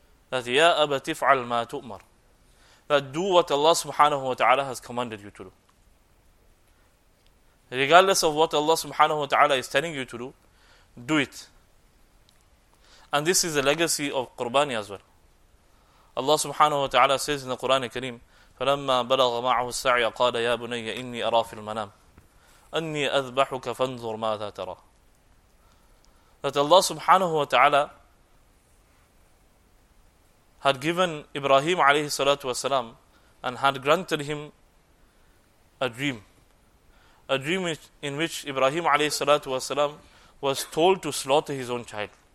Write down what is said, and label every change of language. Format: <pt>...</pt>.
<en>That</en> <ar>ya abati fa'al ma tu'mar.</ar> <en>That do what Allah subhanahu wa ta'ala has commanded you to do. Regardless of what Allah subhanahu wa ta'ala is telling you to do, do it. And this is the legacy of Qurbani as well.</en> <ar>Allah subhanahu wa ta'ala says in the Quran al-Kareem, فَلَمَّا بَلَغَ مَعَهُ السَّعْيَ قَالَ يَا بُنَيَّ إِنِّي أَرَى فِي الْمَنَامِ أَنِّي أَذْبَحُكَ فَانْظُرْ مَاذَا تَرَى.</ar> <en>That Allah subhanahu wa ta'ala had given Ibrahim alayhi salatu wasalam and had granted him a dream. A dream in which Ibrahim alayhi salatu wasalam was told to slaughter his own child.</en>